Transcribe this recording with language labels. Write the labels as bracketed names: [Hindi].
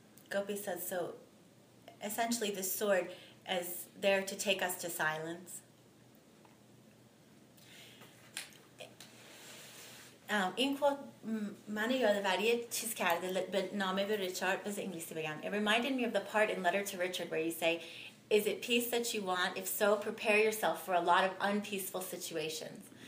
[English] Gopi says, so essentially the sword is there to take us to silence. [Persian] این کوت من یادآوری چیز کرده به نامه به ریچارد. بذار انگلیسی بگم. [English] It reminded me of the part in Letter to Richard where you say, is it peace that you want? If so, prepare yourself for a lot of unpeaceful situations.